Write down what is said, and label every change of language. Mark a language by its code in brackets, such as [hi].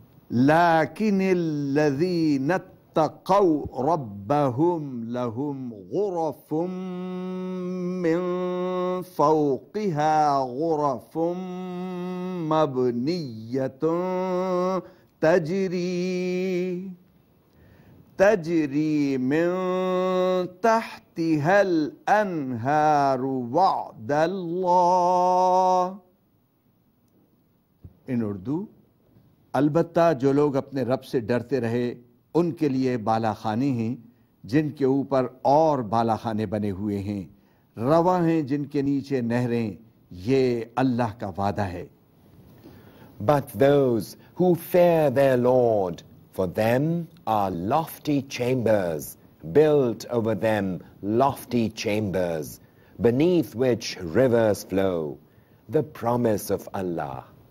[ar] لكن الذين اتقوا ربهم لهم غرف من فوقها غرف مبنية تجري من تحتها الأنهار وعد الله. [en] In Urdu, [ur] البتہ جو لوگ اپنے رب سے ڈرتے رہے ان کے لیے بالا خانے ہیں جن کے اوپر اور بالا خانے بنے ہوئے ہیں, رواں ہیں جن کے نیچے نہریں, یہ اللہ کا وعدہ ہے. [en] But those who fear their Lord, for them are lofty chambers, built over them lofty chambers, beneath which rivers flow, the promise of Allah.